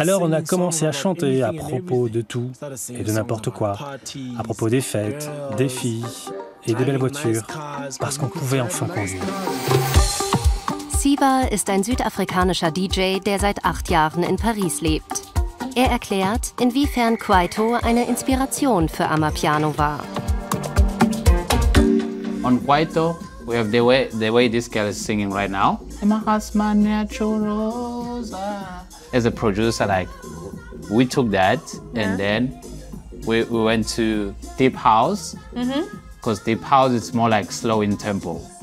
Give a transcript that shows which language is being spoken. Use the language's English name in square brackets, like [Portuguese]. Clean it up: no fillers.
[French] Alors on a commencé à chanter à propos de tout et de n'importe quoi, à propos des fêtes, des filles et des belles voitures, parce qu'on pouvait enfin conduire. [German] Siva ist ein südafrikanischer DJ, der seit 8 Jahren in Paris lebt. Er erklärt, inwiefern Kwaito eine Inspiration für Amapiano war. [English] On Kwaito. We have the way this girl is singing right now. As a producer, like, we took that, yeah. And then we went to deep house, because deep house is more like slow in tempo.